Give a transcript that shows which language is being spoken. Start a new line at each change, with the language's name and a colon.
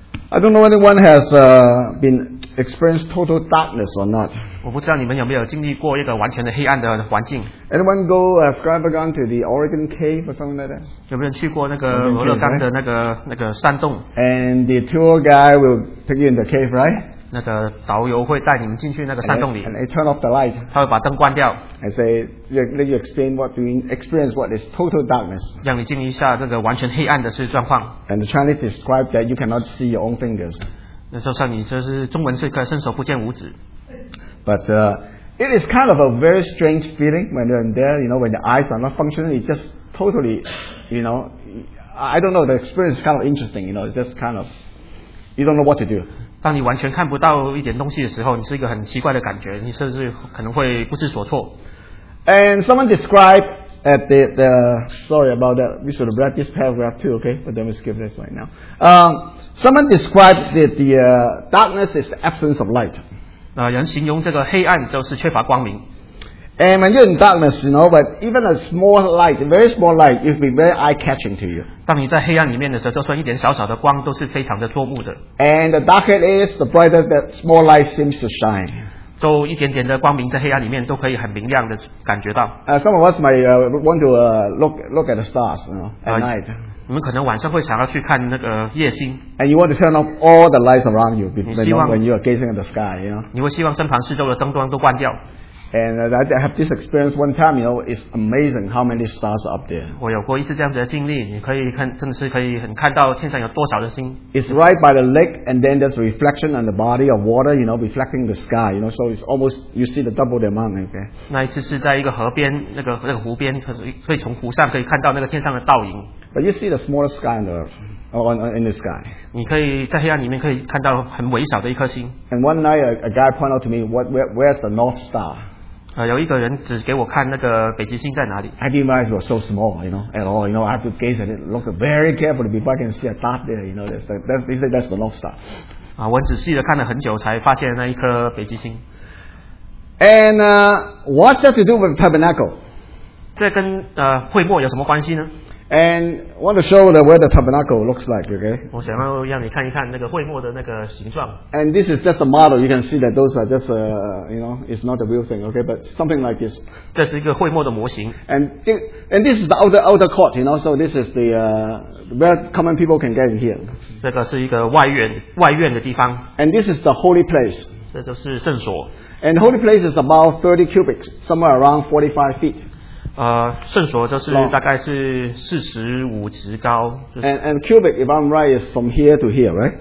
English: I don't know anyone has been experienced total darkness or not.
Chinese: 我不知道你们有没有经历过一个完全的黑暗的环境。
English: Anyone go scuba gone to the Oregon Cave or something like that?
Chinese: 有没有去过那个俄勒冈的那个山洞
English: ？And the tour guide will take you in the cave, right?
Chinese: 那个导游会带你们进去那个山洞里。
English: And they turn off the light.
Chinese: 他会把灯关掉。
English: I say, let you explain what you experience. What is total darkness?
Chinese: 让你经历一下那个完全黑暗的状况。
English: And the Chinese describe that you cannot see your own fingers.
Chinese: 那时候像你就是中文是可以伸手不见五指。
English: But it is kind of a very strange feeling when you're in there. You know, when your eyes are not functioning, it's just totally, you know, I don't know. The experience is kind of interesting. You know, it's just kind of, you don't know what to do.
Chinese: 当你完全看不到一点东西的时候，你是一个很奇怪的感觉，你甚至可能会不知所措。
English: And someone described at the sorry about that. We should have read this paragraph too, okay? But then we skip this right now. Someone described that the darkness is the absence of light.
Chinese: 人形容这个黑暗就是缺乏光明。
English: And when you're in darkness, you know, but even a small light, a very small light, it will be very eye-catching to you.
Chinese: 当你在黑暗里面的时候，就算一点小小的光都是非常的捉目的。
English: And the darker it is, the brighter that small light seems to shine.
Chinese: 就一点点的光明在黑暗里面都可以很明亮的感觉到。
English: Some of us might want to look at the stars, you know, at night.
Chinese: 你们可能晚上会想要去看那个夜星。
English: And you want to turn off all the lights around you when you are gazing at the sky, you know.
Chinese: 你会希望身旁四周的灯光都关掉。
English: And I have this experience one time, you know, it's amazing how many stars are up there.
Chinese: 我有过一次这样子的经历，你可以看，真的是可以很看到天上有多少的星。
English: It's right by the lake, and then there's reflection on the body of water, you know, reflecting the sky, you know, so it's almost, you see the double the amount, okay?
Chinese: 那一次是在一个河边，那个湖边，可以从湖上可以看到那个天上的倒影。
English: But you see the smallest sky on the earth. In the sky.
Chinese: 你可以在黑暗里面可以看到很微小的一颗星。
English: And one night, a guy pointed out to me, "Where's the North Star?"
Chinese: 有一个人指给我看那个北极星在哪里。
English: I didn't realize it was so small, you know, at all. You know, I have to gaze at it, look very carefully before I can see a dot there. You know, that's the North Star.
Chinese: 啊，我仔细的看了很久，才发现那一颗北极星。
English: And what's that to do with tabernacle?
Chinese: 这跟会幕有什么关系呢？
English: And want to show the where the tabernacle looks like, okay?
Chinese: 我想要让你看一看那个会幕的那个形状。
English: And this is just a model. You can see that those are just you know, it's not a real thing, okay? But something like this.
Chinese: 这是一个会幕的模型。
English: And this is the outer court, you know. So this is the where common people can get in here.
Chinese: 这个是一个外院的地方。
English: And this is the holy place.
Chinese: 这就是圣所。
English: And holy place is about 30 cubits, somewhere around 45 feet.
Chinese: 圣所就是大概是45尺高。
English: And cubit, if I'm right, is from here to here, right?